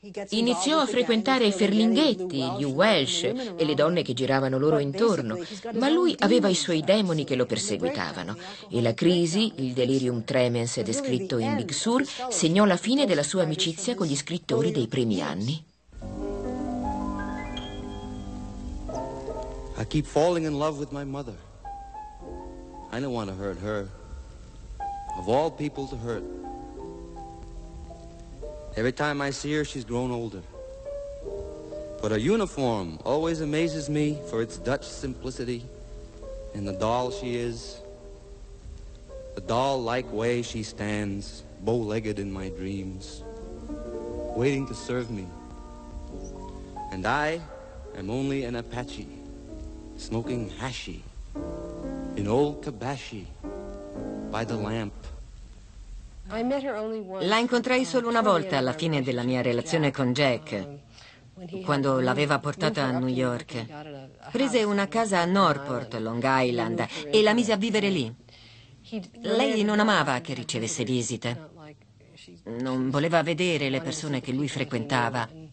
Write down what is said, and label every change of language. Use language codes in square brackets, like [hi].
[it] Iniziò a frequentare Ferlinghetti, gli Welsh e le donne che giravano loro intorno, ma lui aveva i suoi demoni che lo perseguitavano e la crisi, il delirium tremens descritto in Big Sur, segnò la fine della sua amicizia con gli scrittori dei primi anni. [en] I keep falling in love with my mother. I don't want to hurt her. Of all people to hurt. Every time I see her, she's grown older. But her uniform always amazes me for its Dutch simplicity and the doll she is, the doll-like way she stands, bow-legged in my dreams, waiting to serve me. And I am only an Apache, smoking hashi, in old Kabashi, by the lamp. [it] La incontrai solo una volta alla fine della mia relazione con Jack, quando l'aveva portata a New York. Prese una casa a Norport, Long Island, e la mise a vivere lì. Lei non amava che ricevesse visite. Non voleva vedere le persone che lui frequentava.